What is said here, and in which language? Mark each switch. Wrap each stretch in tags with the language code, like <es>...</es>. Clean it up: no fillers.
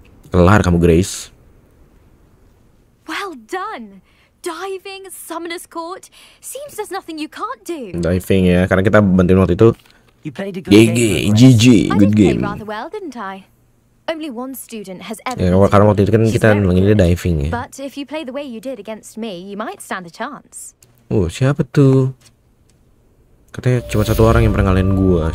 <id>Kelar kamu, Grace.</id> <en>Well done. Diving, Summoner's Court. Seems there's nothing you can't do.</en> <id>Diving ya, karena kita bantuin waktu itu.</id> <en>GG, GG, good game. Rather well, didn't I? Only one student has ever.</en> <id>Ya, karena waktu itu kan kita nanggini diving ya.</id> <en>But if you play the way you did against me, you might stand a chance.</en> <id>Siapa tuh? Katanya cuma satu orang yang pernah ngalahin gua.</id>